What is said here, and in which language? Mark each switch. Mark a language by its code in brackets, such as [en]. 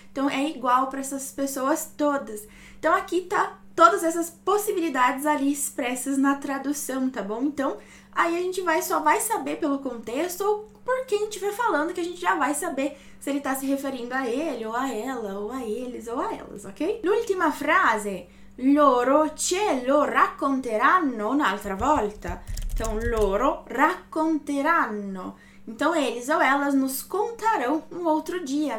[pt] Então, é igual para essas pessoas todas. Então, aqui tá todas essas possibilidades ali expressas na tradução, tá bom? Então, aí a gente vai só vai saber pelo contexto ou por quem estiver falando que a gente já vai saber se ele está se referindo a ele ou a ela ou a eles ou a elas, ok? [it] L'ultima frase. Loro ce lo racconteranno un'altra volta. [pt] Então, [it] loro racconteranno. [pt] Então, eles ou elas nos contarão um outro dia.